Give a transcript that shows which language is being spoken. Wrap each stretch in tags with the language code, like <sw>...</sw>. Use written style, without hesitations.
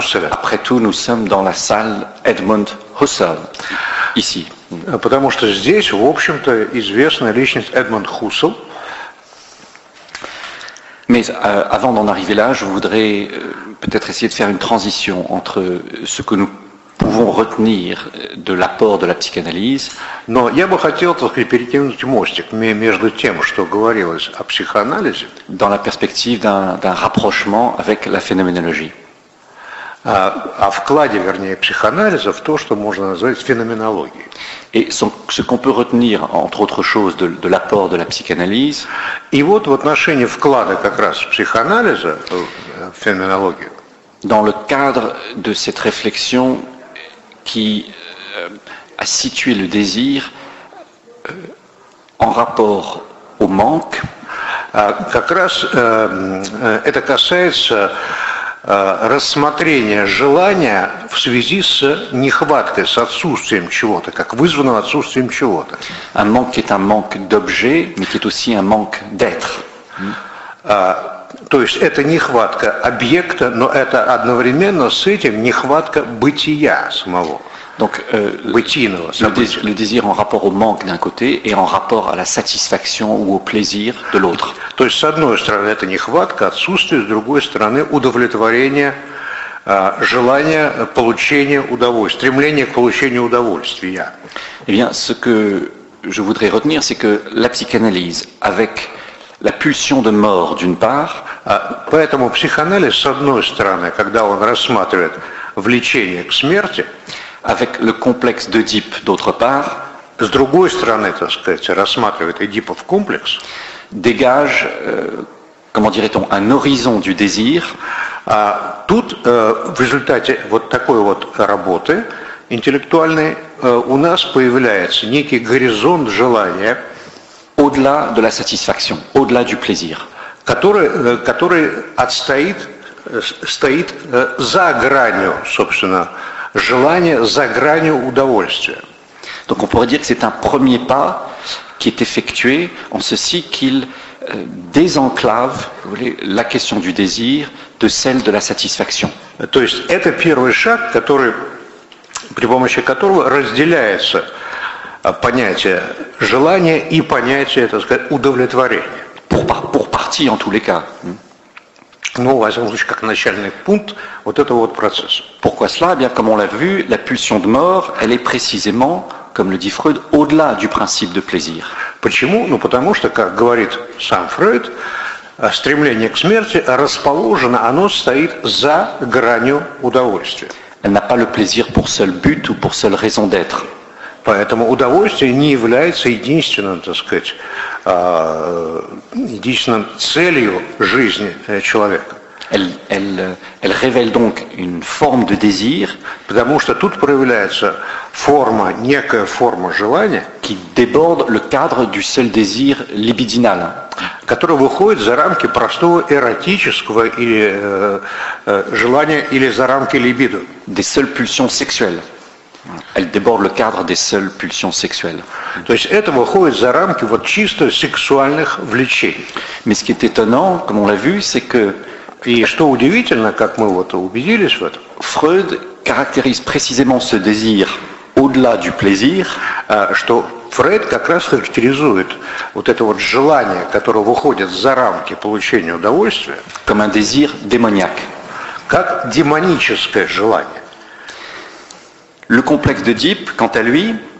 <fr>Après tout, nous sommes dans la salle Edmund Husserl, ici.</fr> <ru>Потому что здесь, в общем-то, известная личность Эдмунд Хуссел.</ru> <fr>Mais avant d'en arriver là, je voudrais peut-être essayer de faire une transition entre ce que nous pouvons retenir de l'apport de la psychanalyse.</fr> <ru>Но я бы хотел только перекинуть мостик между тем, что говорилось о психоанализе,</ru> <fr>dans la perspective d'un rapprochement avec la phénoménologie.</fr> <ru>О вкладе, вернее, психоанализа в то, что можно назвать феноменологией.</ru> <fr>Et ce qu'on peut retenir, entre autres choses, de l'apport de la psychanalyse.</fr> <ru>И вот в отношении вклада как раз психоанализа в феноменологию.</ru> <fr>Dans le cadre de cette réflexion qui a situé le désir en rapport au manque.</fr> <ru>Как раз это касается рассмотрения желания в связи с нехваткой, с отсутствием чего-то, как вызванного отсутствием чего-то.</ru> <fr>Un manque est un manque d'objet, mais qui est aussi un manque d'être.</fr> <ru>То есть это нехватка объекта, но это одновременно с этим нехватка бытия самого.</ru> <fr>Donc,</fr> <ru>бытийного,</ru> <fr>le désir en rapport au manque d'un côté et en rapport à la satisfaction ou au plaisir de l'autre.</fr> <ru>То есть, с одной стороны, это нехватка, отсутствие, с другой стороны, удовлетворение, желание получения удовольствия, стремление к получению удовольствия.</ru> <fr>Eh bien, ce que je voudrais retenir, c'est que la psychanalyse, avec la pulsion de mort, d'une part,</fr> <ru>поэтому психоанализ, с одной стороны, когда он рассматривает влечение к смерти,</ru> <fr>avec le complexe d'Œdipe, d'autre part,</fr> <ru>с другой стороны, так сказать, рассматривает Эдипов комплекс,</ru> <fr>dégage, comment dirait-on, un horizon du désir.</fr> <ru>Тут в результате вот такой вот работы интеллектуальной у нас появляется некий горизонт желания,</ru> <fr>au-delà de la satisfaction, au-delà du plaisir,</fr> <ru>который отстоит, стоит за гранью, собственно, желание за гранью удовольствия.</ru> <fr>Donc on pourrait dire que c'est un premier pas qui est effectué en ceci qu'il désenclave, vous voyez, la question du désir de celle de la satisfaction.</fr> <ru>То есть это первый шаг, который, при помощи которого разделяется понятие желания и понятие, так сказать, удовлетворения.</ru> <fr>Pour partie, en tous les cas.</fr> <ru>Ну, возьмем лучше как начальный пункт вот этого вот процесса.</ru> <fr>Pourquoi cela? Eh bien, comme on l'a vu, la pulsion de mort, elle est précisément, comme le dit Freud, au-delà du principe de plaisir.</fr> <ru>Почему? Ну, потому что, как говорит сам Фрейд, стремление к смерти расположено, оно стоит за гранью удовольствия.</ru> <fr>Elle n'a pas le plaisir pour seul but ou pour seule raison d'être.</fr> <ru>Поэтому удовольствие не является единственным, так сказать, единственным целью жизни человека.</ru> <fr>Elle révèle donc une forme de désir,</fr> <ru>потому что тут проявляется форма, некая форма желания,</ru> <fr>qui déborde le cadre du seul désir libidinal,</fr> <ru>которая выходит за рамки простого эротического или желания или за рамки либидо.</ru> <fr>Des seules pulsions sexuelles. Elle déborde le cadre des seules pulsions sexuelles.</fr> <ru>То есть это выходит за рамки вот чисто сексуальных влечений.</ru> <fr>Mais ce qui est étonnant, comme on l'a vu, c'est que</fr> <ru>и что удивительно, как мы вот убедились в этом, Фрейд характеризует</ru> <fr>précisément ce désir au-delà du plaisir,</fr> <ru>что Фрейд как раз характеризует вот это вот желание, которое выходит за рамки получения удовольствия,</ru> <fr>comme un désir démoniaque.</fr> <ru>Как демоническое желание.</ru> <fr>Le complexe d'Œdipe, quant à lui,</fr>